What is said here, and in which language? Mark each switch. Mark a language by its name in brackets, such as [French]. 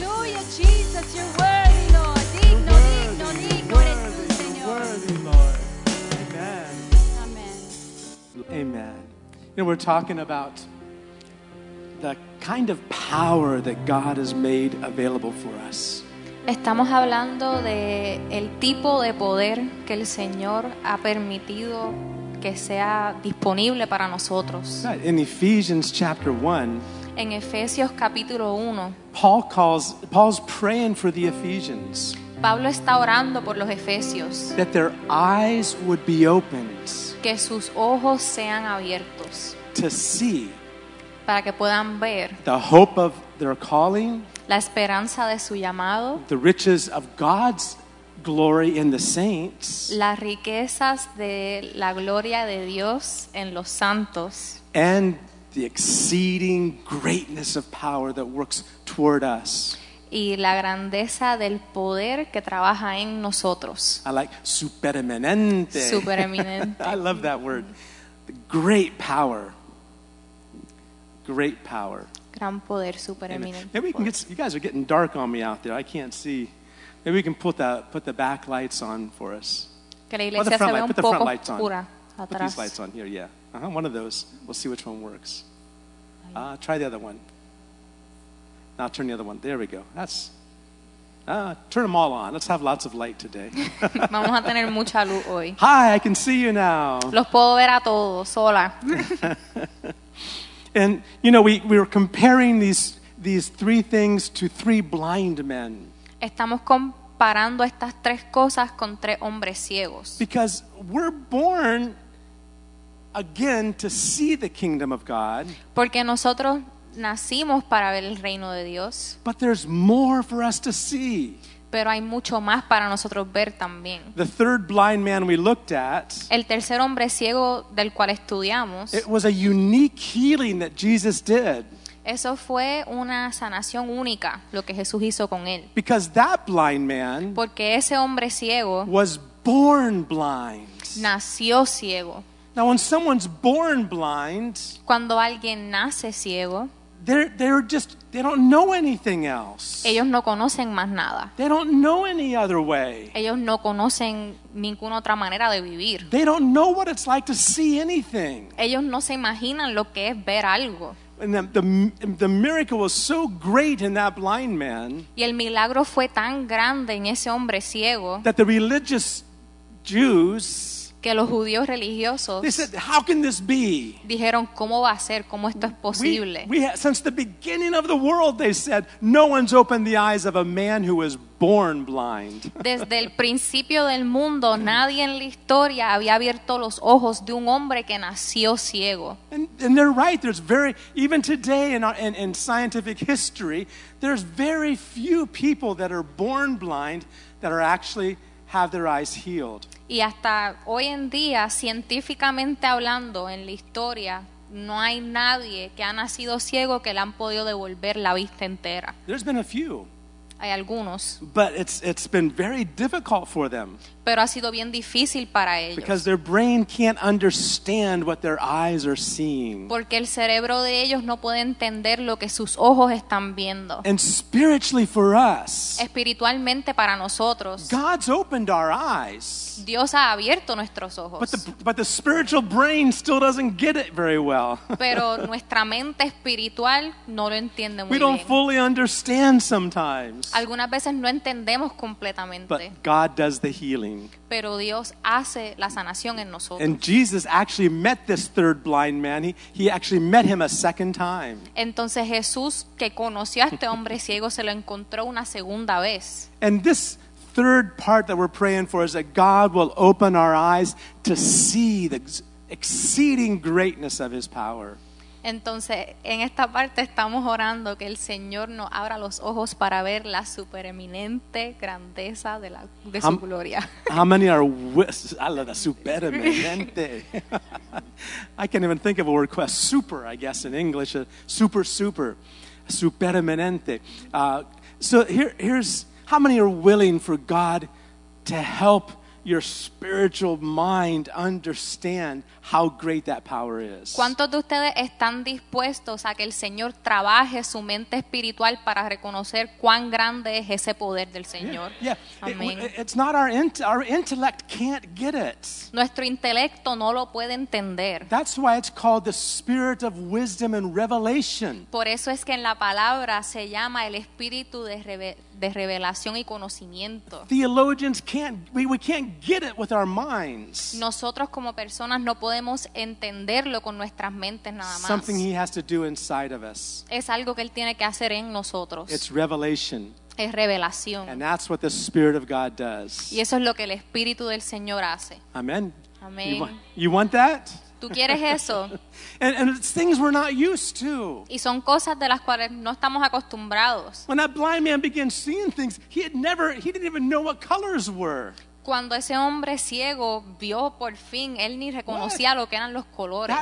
[English] Hallelujah, Jesus, you're worthy, Lord. [Spanish] Digno, [English] worthy, [Spanish] digno, digno eres tú, Señor. [English] Worthy, Lord. Amen. Amen. Amen. You know, we're talking about the kind of power that God has made available for us. [Spanish] Estamos hablando de el tipo de poder que el Señor ha permitido que sea disponible para nosotros. [English] In Ephesians chapter 1, [Spanish] en Efesios capítulo 1, [English] Paul's praying for the Ephesians. [Spanish] Pablo está orando por los Efesios. [English] That their eyes would be opened. [Spanish] Que sus ojos sean abiertos. [English] To see. [Spanish] Para que puedan ver [English] the hope of their calling, [Spanish] la esperanza de su llamado, [English] the riches of God's glory in the saints. [Spanish] Las riquezas de la gloria de Dios en los santos. [English] And the exceeding greatness of power that works toward us. [Spanish] Y la grandeza del poder que trabaja en nosotros. [English] I like supereminente. [Spanish] Supereminente. [English] I love that word. Great power. Great power. [Spanish] Gran poder, supereminente. [English] Maybe we can get, you guys are getting dark on me out there. I can't see. Maybe we can put the back lights on for us. [Spanish] Que la iglesia se ve un poco oscura atrás. [English] Put these lights on here, yeah. Uh-huh, one of those. We'll see which one works. Try the other one. Now turn the other one. There we go. That's. Turn them all on. Let's have lots of light today. [Spanish] Vamos a tener mucha luz hoy. [English] Hi, I can see you now. [Spanish] Los puedo ver a todos. Hola. [English] And you know, we were comparing these three things to three blind men. [Spanish] Estamos comparando estas tres cosas con tres hombres ciegos. [English] Because we're born again to see the kingdom of God. [Spanish] Porque nosotros nacimos para ver el reino de Dios. [English] But there's more for us to see. [Spanish] Pero hay mucho más para nosotros ver también. [English] The third blind man we looked at. [Spanish] El tercer hombre ciego del cual estudiamos. [English] It was a unique healing that Jesus did. [Spanish] Eso fue una sanación única lo que Jesús hizo con él. [English] Because that blind man. [Spanish] Porque ese hombre ciego. [English] Was born blind. [Spanish] Nació ciego. [English] Now when someone's born blind. [Spanish] Cuando alguien nace ciego. [English] They don't know anything else. [Spanish] Ellos no conocen más nada. [English] They don't know any other way. [Spanish] Ellos no conocen ninguna otra manera de vivir. [English] They don't know what it's like to see anything. [Spanish] Ellos no se imaginan lo que es ver algo. [English] And the miracle was so great in that blind man. [Spanish] Y el milagro fue tan grande en ese hombre ciego. [English] That the religious Jews. [Spanish] Que los judíos religiosos. [English] They said, "How can this be?" [Spanish] Dijeron, ¿cómo va a ser? ¿Cómo esto es posible? [English] Since the beginning of the world, they said, "No one's opened the eyes of a man who was born blind." [Spanish] Desde el principio del mundo, nadie en la historia había abierto los ojos de un hombre que nació ciego. [English] And they're right. There's very, even today in scientific history, there's very few people that are born blind that are actually have their eyes healed. [Spanish] Y hasta hoy en día, científicamente hablando, en la historia, no hay nadie que ha nacido ciego que le han podido devolver la vista entera. [English] There's been a few. [Spanish] Hay algunos. [English] But it's been very difficult for them. [Spanish] Pero ha sido bien difícil para ellos. [English] Because their brain can't understand what their eyes are seeing. [Spanish] Porque el cerebro de ellos no puede entender lo que sus ojos están viendo. [English] And spiritually for us. [Spanish] Espiritualmente para nosotros. [English] God's opened our eyes. [Spanish] Dios ha abierto nuestros ojos. [English] But the spiritual brain still doesn't get it very well. [Spanish] Pero nuestra mente espiritual no lo entiende muy bien. [English] We don't fully understand sometimes. [Spanish] Algunas veces no entendemos completamente. [English] But God does the healing. [Spanish] Pero Dios hace la sanación en nosotros. [English] And Jesus actually met this third blind man. He actually met him a second time. [Spanish] Entonces Jesús, que conoció a este hombre ciego, se lo encontró una segunda vez. [English] And this third part that we're praying for is that God will open our eyes to see the exceeding greatness of his power. [Spanish] Entonces, en esta parte estamos orando que el Señor nos abra los ojos para ver la supereminente grandeza de la de su gloria. [English] How many are [Spanish] la supereminente? [English] I can't even think of a word called super, I guess in English, super supereminente. So here's how many are willing for God to help your spiritual mind understand how great that power is. [Spanish] ¿Cuántos de ustedes están dispuestos a que el Señor trabaje su mente espiritual para reconocer cuán grande es ese poder del Señor? [English] Yeah. Amén. It's not our intellect can't get it. [Spanish] Nuestro intelecto no lo puede entender. [English] That's why it's called the spirit of wisdom and revelation. [Spanish] Por eso es que en la palabra se llama el espíritu de de revelación y conocimiento. [English] Theologians can't, we can't get it with our minds. [Spanish] Nosotros como personas no podemos entenderlo con nuestras mentes nada más. [English] Something he has to do inside of us. [Spanish] Es algo que él tiene que hacer en nosotros. [English] It's revelation. [Spanish] Es revelación. [English] And that's what the Spirit of God does. [Spanish] Y eso es lo que el Espíritu del Señor hace. [English] Amen. Amen. You want that? [Spanish] ¿Tú quieres eso? [English] And it's things we're not used to. [Spanish] Y son cosas de las cuales no estamos acostumbrados. [English] When that blind man began seeing things, he didn't even know what colors were. [Spanish] Cuando ese hombre ciego vio por fin, él ni reconocía lo que eran los colores.